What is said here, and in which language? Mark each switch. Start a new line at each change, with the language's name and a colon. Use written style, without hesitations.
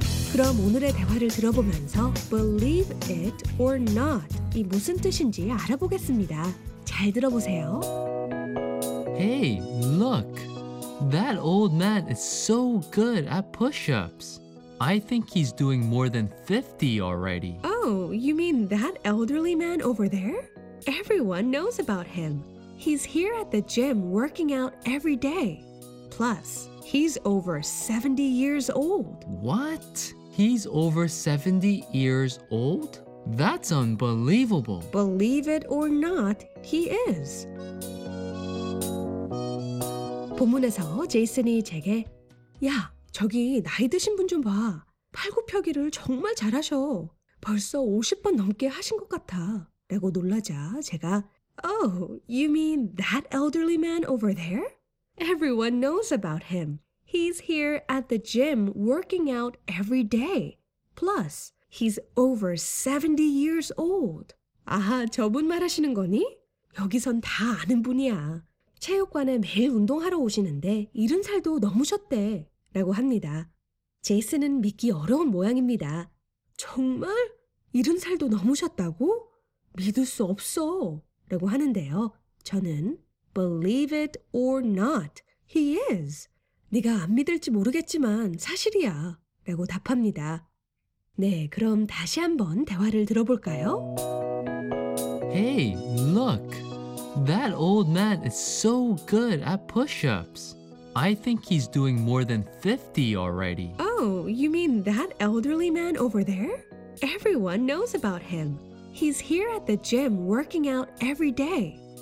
Korean: 그럼 오늘의 대화를 들어보면서
English: believe it or not
Korean: 이 무슨 뜻인지 알아보겠습니다. 잘 들어보세요.
English: Hey, look. That old man is so good at push-ups. I think he's doing more than 50 already. Oh, you mean that elderly man over there? Everyone knows about him. He's here at the gym working out every day. Plus, he's over 70 years old. What? He's over 70 years old? That's unbelievable. Believe it or not, he is.
Korean: 본문에서 제이슨이 제게 야, 저기 나이 드신 분 좀 봐. 팔굽혀기를 정말 잘하셔. 벌써 50번 넘게 하신 것 같아. 라고 놀라자 제가
English: Oh, you mean that elderly man over there? Everyone knows about him. He's here at the gym working out every day. Plus, he's over 70 years old.
Korean: 아하, 저분 말하시는 거니? 여기선 다 아는 분이야. 체육관에 매일 운동하러 오시는데 70살도 넘으셨대 라고 합니다. 제이슨은 믿기 어려운 모양입니다. 정말? 70살도 넘으셨다고? 믿을 수 없어 라고 하는데요. 저는
English: believe it or not, he is.
Korean: 네가 안 믿을지 모르겠지만 사실이야 라고 답합니다. 네, 그럼 다시 한번 대화를 들어볼까요?
English: Hey, look. That old man is so good at push-ups. I think he's doing more than 50 already. Oh, you mean that elderly man over there? Everyone knows about him. He's here at the gym working out every day.